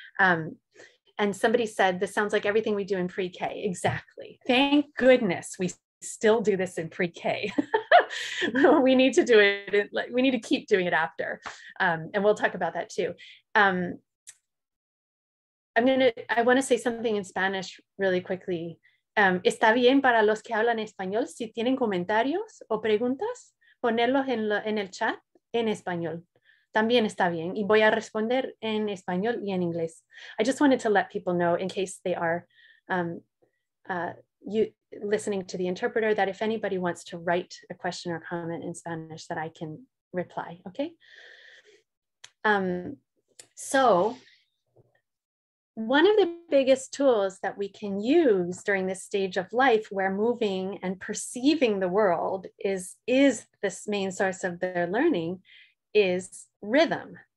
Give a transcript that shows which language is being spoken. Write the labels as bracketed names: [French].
[English] And somebody said, this sounds like everything we do in pre-K. Exactly. Thank goodness we still do this in pre-K. We need to do it. We need to keep doing it after. And we'll talk about that too. I want to say something in Spanish really quickly. [Spanish] Está bien para los que hablan español, si tienen comentarios o preguntas, ponerlos en el chat en español. También está bien. Y voy a responder en español y en inglés. [English] I just wanted to let people know, in case they are you listening to the interpreter, that if anybody wants to write a question or comment in Spanish, that I can reply, okay? So one of the biggest tools that we can use during this stage of life where moving and perceiving the world is this main source of their learning is rhythm.